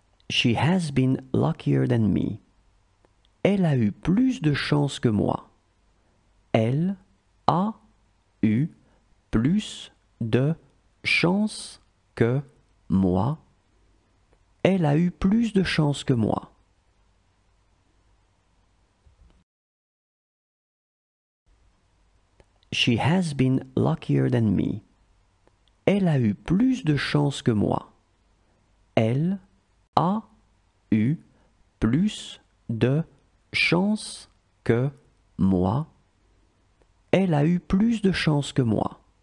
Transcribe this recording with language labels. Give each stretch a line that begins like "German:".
English: She has been luckier than me.
French: Elle a eu plus de chance que moi. Elle a eu plus de chance que moi. Elle a eu plus de chance que moi.
English: She has been luckier than me.
French: Elle a eu plus de chance que moi. Elle a eu plus de chance que moi. Elle a eu plus de chance que moi.